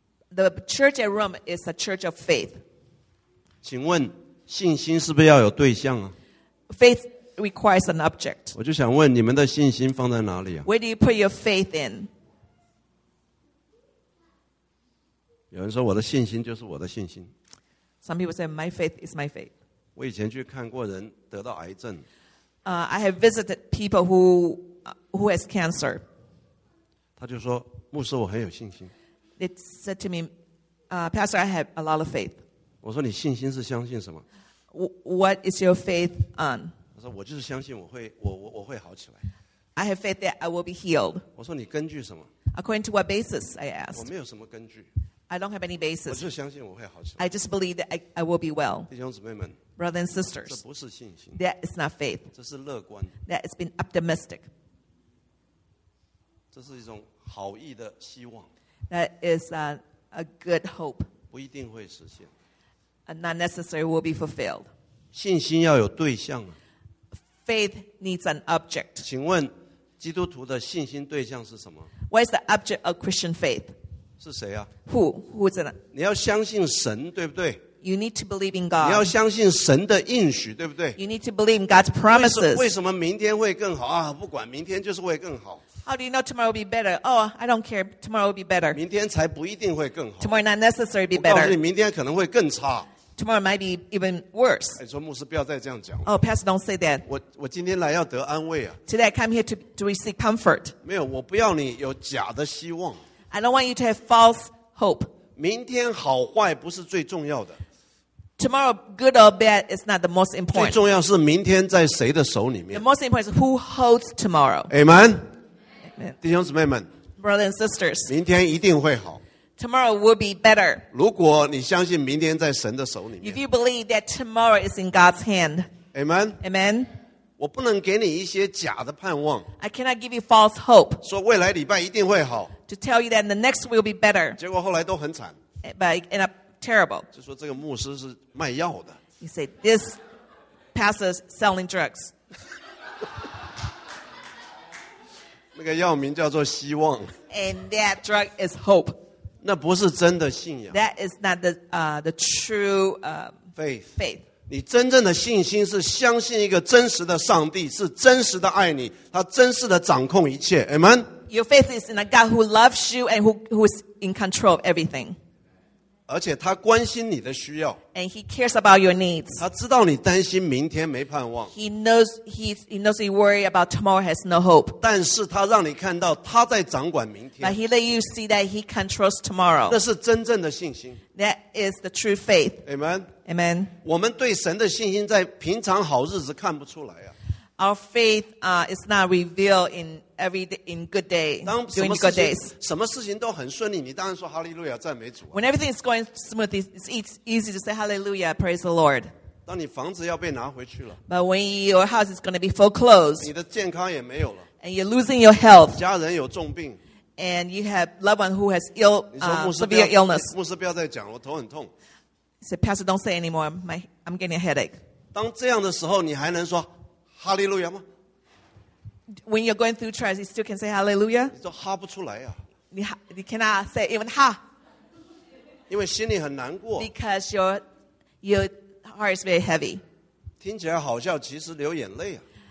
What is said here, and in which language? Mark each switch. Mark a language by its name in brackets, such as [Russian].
[English] The church at Rome is a church of faith. [Chinese] 请问信心是不是要有对象啊？ [English] faith requires an object. [Chinese] 我就想问你们的信心放在哪里啊？ [English] Where do you put your faith in? [Chinese] 有人说我的信心就是我的信心。 [English] Some people say my faith is my faith. [Chinese] 我以前去看过人得到癌症。 [English] I have visited people who has cancer. [Chinese] 他就说牧师我很有信心。 [English] They said to me, Pastor, I have a lot of faith. [Chinese] 我说你信心是相信什么？ [English] What is your faith on? [Chinese] 我说我就是相信我会好起来。 [English] I have faith that I will be healed. [Chinese] 我说你根据什么？ [English] According to what basis, I asked. [Chinese] 我没有什么根据。 [English] I don't have any basis. [Chinese] 我就相信我会好起来。 [English] I just believe that I will be well. [Chinese] 弟兄姊妹们。 [English] Brothers and sisters. [Chinese] 这不是信心。 [English] That is not faith. [Chinese] 这是乐观。 [English] That has been optimistic. [Chinese] 这是一种好意的希望。 [English] That is a good hope. [Chinese] 不一定会实现。 [English] And not necessary will be fulfilled. [Chinese] 信心要有对象啊。 [English] Faith needs an object. [Chinese] 请问基督徒的信心对象是什么？ [English] What is the object of Christian faith? [Chinese] 是谁啊？ [English] Who is it? [Chinese] 你要相信神，对不对？ [English] You need to believe in God. [Chinese] 你要相信神的应许，对不对？ [English] You need to believe in God's promises. [Chinese] 为什么明天会更好啊？不管，明天就是会更好。 [English] How do you know tomorrow will be better? Oh, I don't care. Tomorrow will be better. [Chinese] 明天才不一定会更好。 [English] Tomorrow not necessary be better. [Chinese] 我告诉你，明天可能会更差。 [English] Tomorrow might be even worse. [Chinese] 你说牧师不要再这样讲。 [English] Oh, Pastor, don't say that. [Chinese] 我今天来要得安慰啊。 [English] Today I come here to receive comfort. [Chinese] 没有，我不要你有假的希望。 [English] I don't want you to have false hope. [Chinese] 明天好坏不是最重要的。 [English] Tomorrow, good or bad, is not the most important. [Chinese] 最重要是明天在谁的手里面。 [English] The most important is who holds tomorrow. [Chinese] Amen. 弟兄姊妹们。 [English] Brothers and sisters. [Chinese] 明天一定会好。 [English] Tomorrow will be better. [Chinese] 如果你相信明天在神的手里面。 [English] If you believe that tomorrow is in God's hand. Amen. Amen. [Chinese] 我不能给你一些假的盼望。 [English] I cannot give you false hope. [Chinese] 说未来礼拜一定会好。 [English] To tell you that the next will be better. [Chinese] 结果后来都很惨。 [English] But it ended up terrible. [Chinese] 就说这个牧师是卖药的。 [English] You say, this pastor is selling drugs. [Chinese] 那个药名叫做希望。 [English] And that drug is hope. [Chinese] 那不是真的信仰。 [English] That is not the true faith. [Chinese] 你真正的信心是相信一个真实的上帝，是真实的爱你，他真实的掌控一切。 [English] Amen. Your faith is in a God who loves you and who is in control of everything. [Chinese] 而且他关心你的需要。 [English] And he cares about your needs. [Chinese] 他知道你担心明天没盼望。 [English] He knows you worry about tomorrow has no hope. [Chinese] 但是他让你看到他在掌管明天。 [English] But he let you see that he controls tomorrow. [Chinese] 那是真正的信心。 [English] That is the true faith. Amen. Amen. [Chinese] 我们对神的信心在平常好日子看不出来啊。 [English] Our faith is not revealed in good day, during good days. [Chinese] 什么事情都很顺利，你当然说哈利路亚赞美主。 [English] When everything is going smooth, it's easy to say hallelujah, praise the Lord. [Chinese] 当你房子要被拿回去了。 [English] But when your house is going to be foreclosed, [Chinese] 你的健康也没有了。 [English] And you're losing your health. [Chinese] 家人有重病。 [English] And you have loved one who has severe illness. [Chinese] 牧师不要再讲，我头很痛。 [English] Say, Pastor, don't say anymore. I'm getting a headache. [Chinese] 当这样的时候，你还能说？哈利路亚吗？ [English] When you're going through trials, you still can say hallelujah? [Chinese] 你都哈不出来啊。你 [English] cannot say even ha. [Chinese] 因为心里很难过。 [English] Because your heart is very heavy. [Chinese] 听起来好笑，其实流眼泪啊。